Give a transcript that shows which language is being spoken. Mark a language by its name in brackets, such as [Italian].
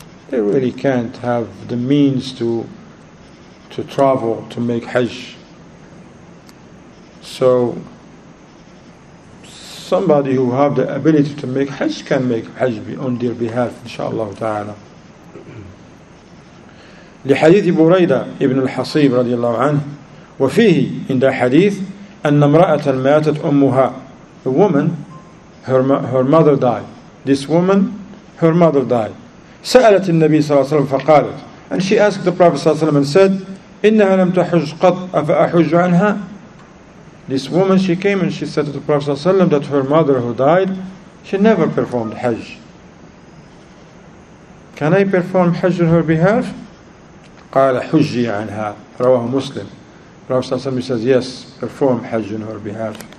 [English] They really can't have the means to travel, to make Hajj. So, somebody who have the ability to make Hajj can make Hajj on their behalf, inshallah ta'ala. [Arabic] لحديث بريدة ابن الحصيب رضي الله عنه وفيه عند حديث أن امرأة ماتت أمها. [English] A woman, her mother died. This woman, her mother died. [Arabic] سألت النبي صلى الله عليه وسلم فقالت. And she asked the Prophet صلى الله عليه وسلم and said, إنها لم تحج قط أفأحج عنها. [English] This woman, she came and she said to the Prophet صلى الله عليه وسلم that her mother who died, she never performed Hajj. Can I perform Hajj on her behalf? [Arabic] قال حجي عنها رواه مسلم. رواه مسلم [English] says yes, perform Hajj on her behalf.